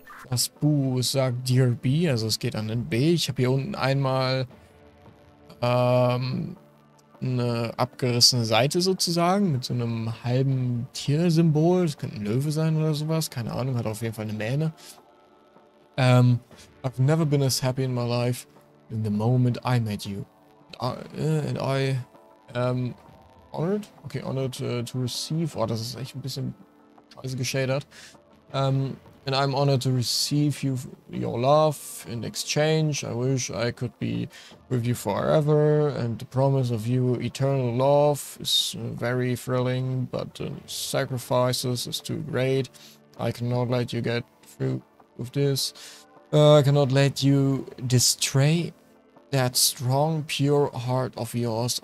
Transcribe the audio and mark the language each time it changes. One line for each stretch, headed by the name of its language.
German: Das Buch sagt Dear B, also es geht an den B. Ich habe hier unten einmal eine abgerissene Seite sozusagen mit so einem halben Tiersymbol. Das könnte ein Löwe sein oder sowas. Keine Ahnung, hat auf jeden Fall eine Mähne.
English: I've never been as happy in my life in the moment I met you. And I am honored. Okay, honored to receive.
German: Oh, das ist echt ein bisschen scheiße geschadert.
English: And I'm honored to receive you, your love in exchange. I wish I could be with you forever. And the promise of you eternal love is very thrilling, but the sacrifices is too great. I cannot let you get through with this. I cannot let you destroy that strong, pure heart of yours.